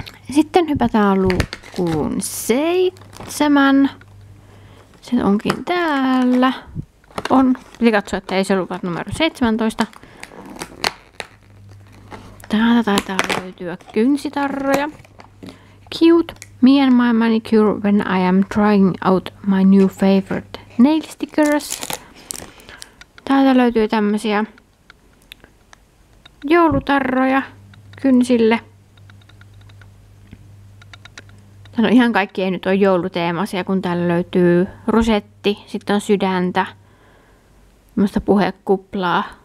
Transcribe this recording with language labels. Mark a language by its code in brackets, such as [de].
[fi] Sitten hypätään luukkuun 7. Se onkin täällä. On. Piti katsoa, että ei se lupa numero 17. Täältä taitaa löytyä kynsitarroja. [en] Cute. Me and my manicure when I am trying out my new favorite nail stickers. [fi] Täältä löytyy tämmösiä joulutarroja kynsille. Tän on ihan kaikki ei nyt ole jouluteemaisia, kun täällä löytyy rusetti, sitten on sydäntä, tämmöstä puhekuplaa.